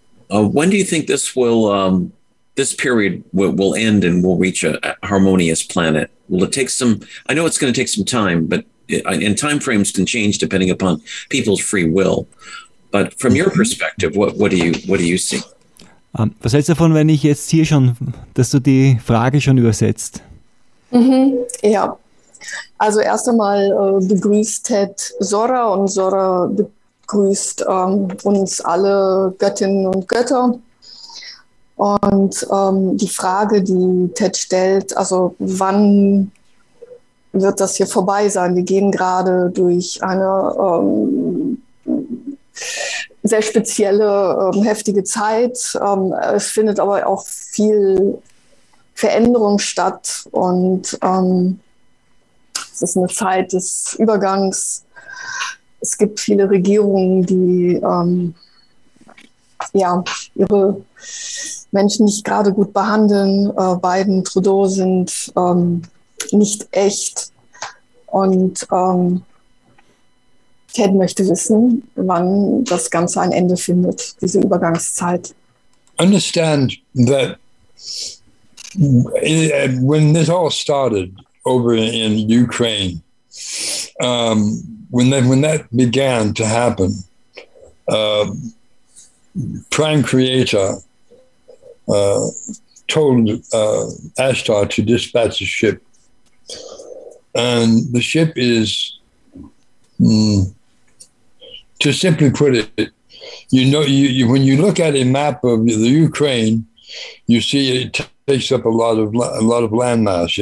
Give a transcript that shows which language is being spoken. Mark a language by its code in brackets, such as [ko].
[en] When do you think this will... this period will end and we'll reach a harmonious planet? Will it take some, I know it's going to take some time, but and time frames can change depending upon people's free will. But from your perspective, what do you see? [de] Was hältst du davon, wenn ich jetzt hier schon, dass du die Frage schon übersetzt? Mhm, ja. Also erst einmal begrüßt Ted Zora und Zora begrüßt uns alle Göttinnen und Götter. Und die Frage, die Ted stellt, also wann wird das hier vorbei sein? Wir gehen gerade durch eine sehr spezielle, heftige Zeit. Es findet aber auch viel Veränderung statt und es ist eine Zeit des Übergangs. Es gibt viele Regierungen, die ihre Menschen nicht gerade gut behandeln. Biden, Trudeau sind nicht echt. Und Ted möchte wissen, wann das Ganze ein Ende findet, diese Übergangszeit. [en] Understand that when this all started over in Ukraine, when that began to happen, Prime Creator told Ashtar to dispatch a ship, and the ship is, to simply put it, when you look at a map of the Ukraine, you see it takes up a lot of landmass.